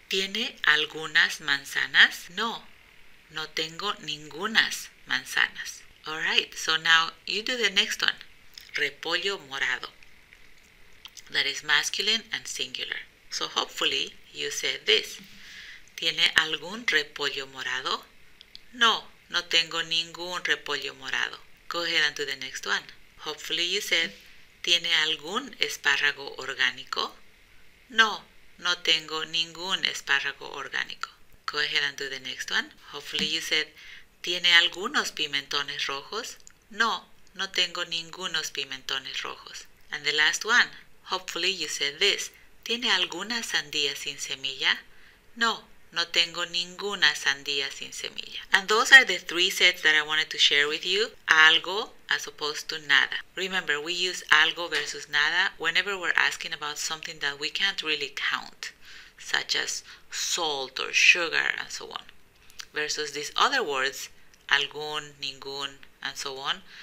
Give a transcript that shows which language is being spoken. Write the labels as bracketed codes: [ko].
[es] ¿Tiene algunas manzanas? No, no tengo ningunas manzanas. [en] All right, so now you do the next one. [es] Repollo morado. [en] That is masculine and singular. So hopefully you said this. [es] ¿Tiene algún repollo morado? No, no tengo ningún repollo morado. [en] Go ahead and do the next one. Hopefully you said, [es] ¿tiene algún espárrago orgánico? No, no tengo ningún espárrago orgánico. [en] Go ahead and do the next one. Hopefully you said, [es] ¿tiene algunos pimentones rojos? No, no tengo ningunos pimentones rojos. [en] And the last one. Hopefully you said this. [es] ¿Tiene alguna sandía sin semilla? No, no tengo ninguna sandía sin semilla. [en] And those are the three sets that I wanted to share with you. Algo as opposed to nada. Remember, we use algo versus nada whenever we're asking about something that we can't really count, such as salt or sugar and so on. Versus these other words, algún, ningún, and so on.